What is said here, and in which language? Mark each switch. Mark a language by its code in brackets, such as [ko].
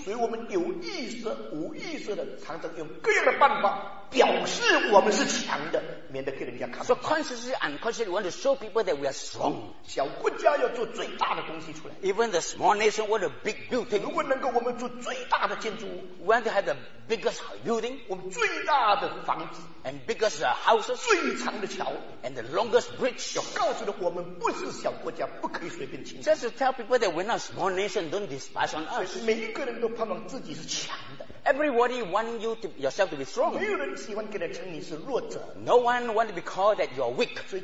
[zh] 所以我们有意识无意识的常常用各样的办法表示我们是强的免得给人家看 [en] So consciously and unconsciously we want to show people that we are strong [zh] 小国家要做最大的东西出来 [en] Even the small nation want a big building [zh] 如果能够我们做最大的建筑 [en] We want to have the biggest building [zh] 我们最大的房子 [en] And biggest houses [zh] 最长的桥 [en] And the longest bridge [zh] 要告诉我们不是小国家不可以随便轻 [en] Just to tell people that we're not a small nation don't despise on us [zh] 每一个人都盼望自己是强的 [en] Everybody wants you to, yourself to be strong. No one wants to be called that you are weak.